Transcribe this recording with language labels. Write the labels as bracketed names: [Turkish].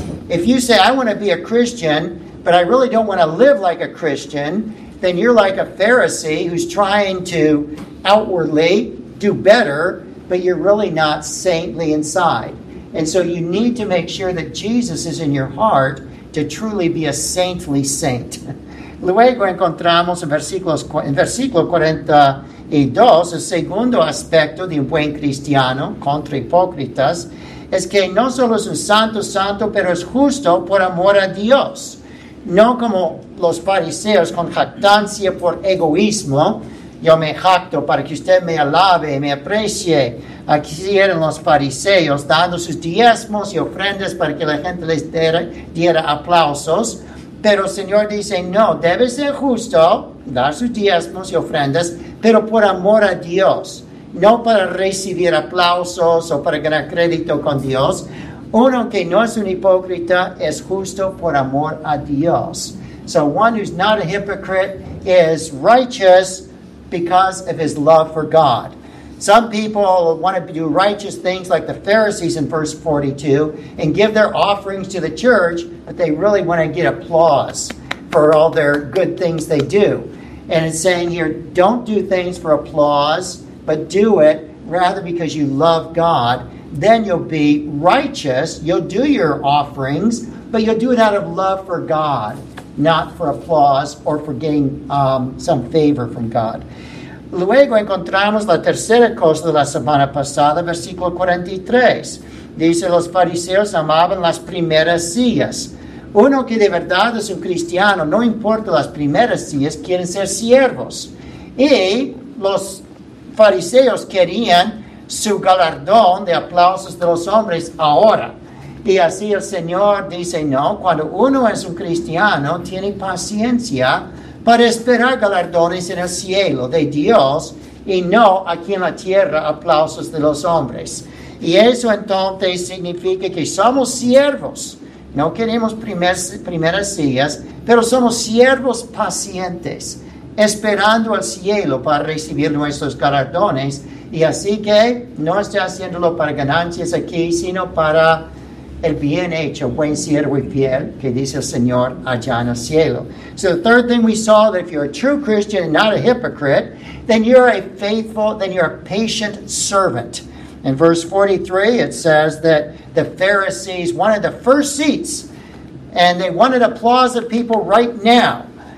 [English] If you say, I want to be a Christian, but I really don't want to live like a Christian, then you're like a Pharisee who's trying to outwardly do better, but you're really not saintly inside. And so you need to make sure that Jesus is in your heart to truly be a saintly saint. [Spanish] Luego encontramos en versículo 42, el segundo aspecto de un buen cristiano contra hipócritas, es que no solo es un santo santo, pero es justo por amor a Dios. No como los fariseos con jactancia por egoísmo. Yo me jacto para que usted me alabe y me aprecie. Aquí eran los fariseos dando sus diezmos y ofrendas para que la gente les diera aplausos. Pero el Señor dice, no, debe ser justo dar sus diezmos y ofrendas, pero por amor a Dios. No para recibir aplausos o para ganar crédito con Dios. Uno que no es un hipócrita es justo por amor a Dios. [English] So one who's not a hypocrite is righteous because of his love for God. Some people want to do righteous things like the Pharisees in verse 42 and give their offerings to the church, but they really want to get applause for all their good things they do. And it's saying here, don't do things for applause, but do it rather because you love God. Then you'll be righteous. You'll do your offerings, but you'll do it out of love for God, not for applause or for getting some favor from God. [Spanish] Luego encontramos la tercera cosa de la semana pasada, versículo 43. Dice, los fariseos amaban las primeras sillas. Uno que de verdad es un cristiano, no importa las primeras sillas, quieren ser siervos. Y los fariseos querían su galardón de aplausos de los hombres ahora. Y así el Señor dice, no, cuando uno es un cristiano, tiene paciencia para esperar galardones en el cielo de Dios y no aquí en la tierra aplausos de los hombres. Y eso entonces significa que somos siervos. No queremos primeras sillas, pero somos siervos pacientes, esperando al cielo para recibir nuestros galardones. Y así que no estoy haciéndolo para ganancias aquí, sino para el bien hecho, buen siervo y fiel, que dice el Señor allá en el cielo. [English] So the third thing we saw, that if you're a true Christian and not a hypocrite, then you're a faithful, then you're a patient servant. In verse 43, it says that the Pharisees wanted the first seats, and they wanted applause of people right now.